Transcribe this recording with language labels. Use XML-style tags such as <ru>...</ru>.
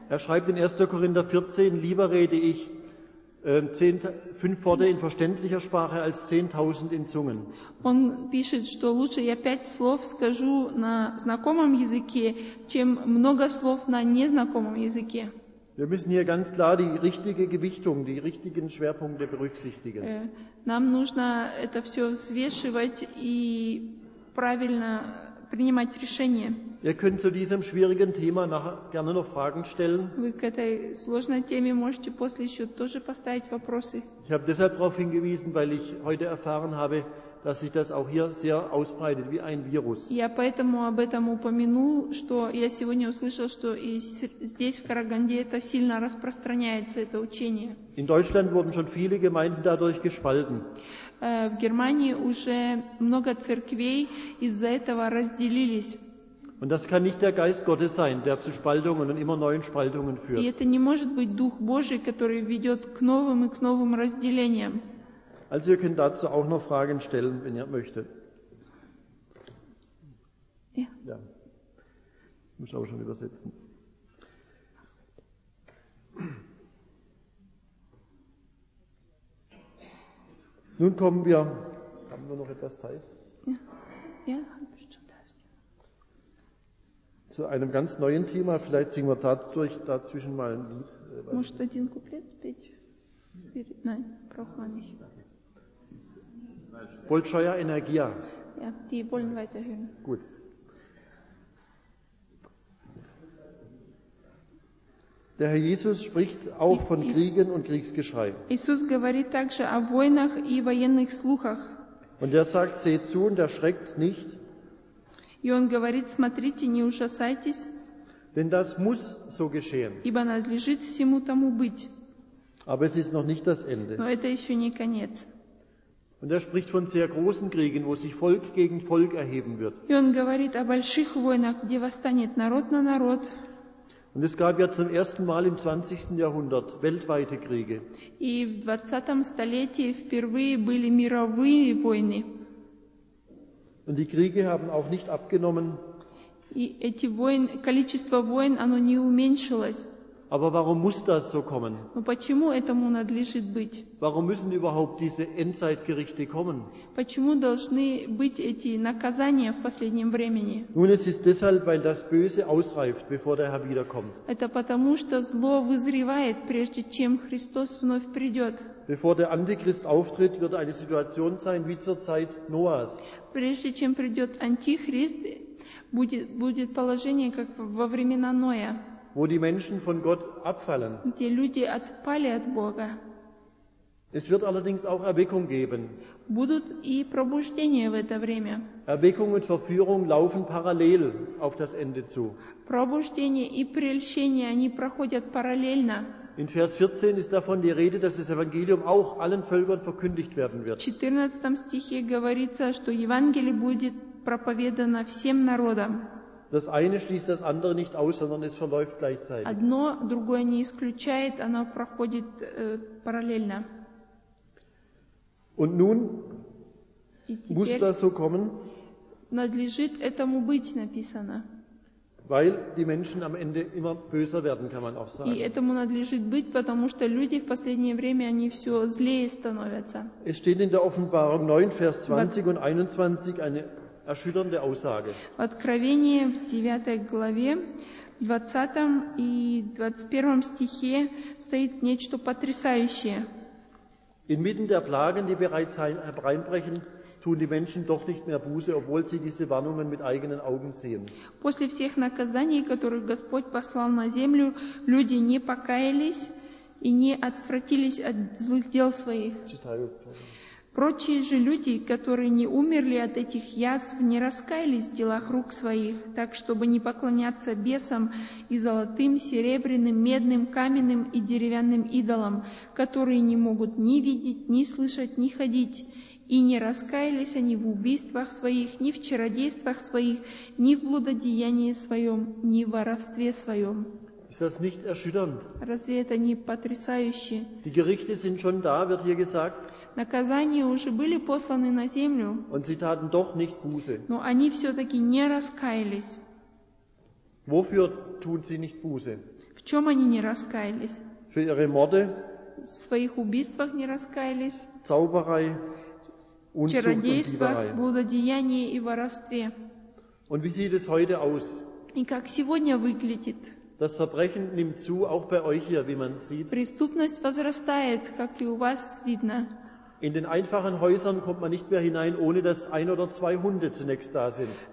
<de>Er schreibt in 1. Korinther 14, lieber rede ich 5 Worte in verständlicher Sprache als 10.000 in Zungen.</de> <ru>Он пишет, что лучше я 5 слов скажу на знакомом языке, чем много слов на незнакомом языке.</ru> <de>Wir müssen hier ganz klar die richtige Gewichtung, die richtigen Schwerpunkte berücksichtigen.</de> <ru>Нам нужно это все взвешивать и правильно принимать решения.</ru> <de>Ihr könnt zu diesem schwierigen Thema nachher gerne noch Fragen stellen.</de> <ru>Вы к этой сложной теме можете после еще тоже поставить вопросы.</ru> <de>Ich habe deshalb darauf hingewiesen, weil ich heute erfahren habe, dass sich das auch hier sehr ausbreitet wie ein Virus.</de> <ru>Я поэтому об этом упомянул, что я сегодня услышал, что и здесь в Караганде это сильно распространяется это учение.</ru> <de>In Deutschland wurden schon viele Gemeinden dadurch gespalten.</de> <ru>В Германии уже много церквей из-за этого разделились.</ru> <de>Und das kann nicht der Geist Gottes sein, der zu Spaltungen und immer neuen Spaltungen führt.</de> <ru>И это не может быть Дух Божий, который ведет к новым и к новым разделениям.</ru> <de>Also ihr könnt dazu auch noch Fragen stellen, wenn ihr möchtet. Ja. Ich muss auch schon übersetzen. Nun kommen wir, haben wir noch etwas Zeit? Ja, bestimmt. Zu einem ganz neuen Thema, vielleicht singen wir dazwischen mal ein Lied. Musst du den Couplet spielen? Nein, brauchen wir nicht.</de> <ru>Большая энергия.</ru> <de>Ja, die wollen weiterhören. Gut. Der Herr Jesus spricht auch von Kriegen und Kriegsgeschrei.</de> <ru>Jesus говорит также о войнах и военных слухах.</ru> <de>Und er sagt, seht zu und erschreckt nicht.</de> <ru>И он говорит, смотрите, не ужасайтесь.</ru> <de>Denn das muss so geschehen.</de> <ru>Ибо надлежит всему тому быть.</ru> <de>Aber es ist noch nicht das Ende.</de> <ru>Но это еще не конец.</ru> <de>Und er spricht von sehr großen Kriegen, wo sich Volk gegen Volk erheben wird.</de> <ru>И он говорит о больших войнах, где восстанет народ на народ.</ru> <de>Und es gab ja zum ersten Mal im 20. Jahrhundert weltweite Kriege.</de> <ru>И в 20-м столетии впервые были мировые войны.</ru> <de>Und die Kriege haben auch nicht abgenommen.</de> <ru>И эти войны, количество войн, оно не уменьшилось.</ru> <de>Aber warum muss das so kommen?</de> <ru>Но почему этому надлежит быть?</ru> <de>Warum müssen überhaupt diese Endzeitgerichte kommen?</de> <ru>Почему должны быть эти наказания в последнем времени?</ru> <de>Nun, es ist deshalb, weil das Böse ausreift, bevor der Herr wiederkommt.</de> <ru>Это потому, что зло вызревает, прежде чем Христос вновь придет.</ru> <de>Bevor der Antichrist auftritt, wird eine Situation sein wie zur Zeit Noahs.</de> <ru>Прежде чем придет Антихрист, будет положение, как во времена Ноя.</ru> <de>Wo die Menschen von Gott abfallen. Die</de> <ru>люди отпали от Бога.</ru> <de>Es wird allerdings auch Erweckung geben.</de> <ru>Будут и пробуждения в это время.</ru> <de>Erweckung und Verführung laufen parallel auf das Ende zu.</de> <ru>Пробуждение и прельщение, они проходят параллельно.</ru> <de>In Vers 14 ist davon die Rede, dass das Evangelium auch allen Völkern verkündigt werden wird.</de> <ru>В 14 стихе говорится, что Евангелие будет проповедано всем народам.</ru> <de>Das eine schließt das andere nicht aus, sondern es verläuft gleichzeitig.</de> <ru>Одно другое не исключает, оно проходит параллельно.</ru> <de>Und nun muss das so kommen.</de> <ru>Надлежит этому быть, написано.</ru> <de>Weil die Menschen am Ende immer böser werden, kann man auch sagen.</de> <ru>И этому надлежит быть, потому что люди в последнее время они все злее становятся.</ru> <de>Es steht in der Offenbarung 9, Vers 20 und 21 eine erschütternde Aussage.</de> <ru>В Откровении в 9 главе, 20 и 21 стихе стоит нечто потрясающее.</ru> <de>Inmitten der Plagen, die bereits hereinbrechen, tun die Menschen doch nicht mehr Buße, obwohl sie diese Warnungen mit eigenen Augen sehen.</de> <ru>После всех наказаний, которые Господь послал на землю, люди не покаялись и не отвратились от злых дел своих. Читаю. Прочие же люди, которые не умерли от этих язв, не раскаялись в делах рук своих, так, чтобы не поклоняться бесам и золотым, серебряным, медным, каменным и деревянным идолам, которые не могут ни видеть, ни слышать, ни ходить. И не раскаялись они в убийствах своих, ни в чародействах своих, ни в блудодеянии своем, ни в воровстве своем.</ru> <de>Ist das nicht erschütternd?</de> <ru>Разве это не потрясающе?</ru> <de>Die Gerichte sind schon da, wird hier gesagt.</de> <ru>Наказания уже были посланы на землю.</ru> <de>Und sie taten doch nicht Buße.</de> <ru>Но они все-таки не раскаялись.</ru> <de>Wofür tun sie nicht Buße?</de> <ru>В чем они не раскаялись?</ru> <de>Für ihre Morde?</de> <ru>В своих убийствах не раскаялись.</ru> <de>Zauberei, Unzucht,</de> <ru>чародействах,</ru> <de>und</de> <ru>блудодеянии и воровстве.</ru> <de>Und wie sieht es heute aus?</de> <ru>И как сегодня выглядит?</ru> <de>Das Verbrechen nimmt zu, auch bei euch hier, wie man sieht.</de> <ru>Преступность возрастает, как и у вас видно.</ru> <de>In den einfachen Häusern kommt man nicht mehr hinein, ohne dass ein oder zwei Hunde zunächst da sind.</de>